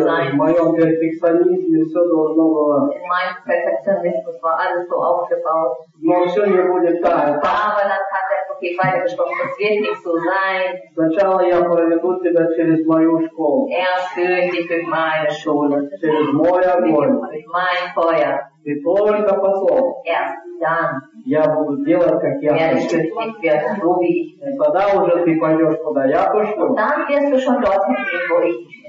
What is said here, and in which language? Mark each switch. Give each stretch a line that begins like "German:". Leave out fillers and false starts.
German: In meinem Perfektionismus war alles so aufgebaut. Aber dann hat der Prophet weitergesprochen, es wird nicht so sein.
Russian: Сначала я проведу тебя через мою школу.
German: Erst führe ich dich durch meine Schule.
Russian: Через мой огонь.
German: Durch mein Feuer.
Russian: И только потом.
German: Erst dann.
Russian: Я буду делать, как я хочу. И тогда уже ты пойдешь, куда я пошлю.
German: Dann wirst du schon dorthin gehen, wo ich.